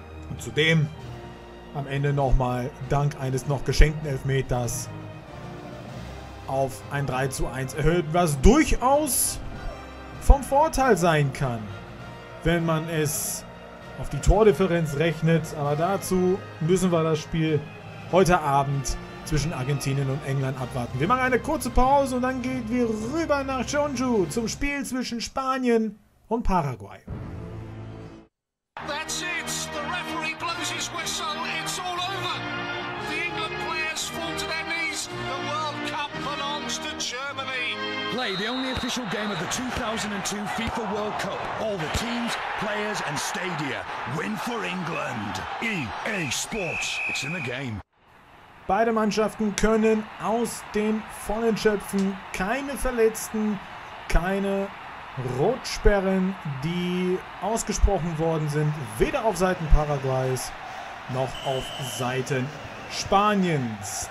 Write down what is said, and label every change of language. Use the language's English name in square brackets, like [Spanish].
[German] Und zudem am Ende nochmal dank eines noch geschenkten Elfmeters auf ein 3:1 erhöht, was durchaus vom Vorteil sein kann, wenn man es auf die Tordifferenz rechnet. Aber dazu müssen wir das Spiel heute Abend zwischen Argentinien und England abwarten. Wir machen eine kurze Pause und dann gehen wir rüber nach Jeonju zum Spiel zwischen Spanien und Paraguay. [English] That's it. The referee blows his whistle. It's all over. The England players fall to their knees. The World Cup belongs to Germany. Play the only official game of the 2002 FIFA World Cup. All the teams, players and stadia. Win for England. EA Sports. It's in the game. [German] Beide Mannschaften können aus den Vollen schöpfen. Keine Verletzten, keine Rotsperren, die ausgesprochen worden sind. Weder auf Seiten Paraguays noch auf Seiten Spaniens.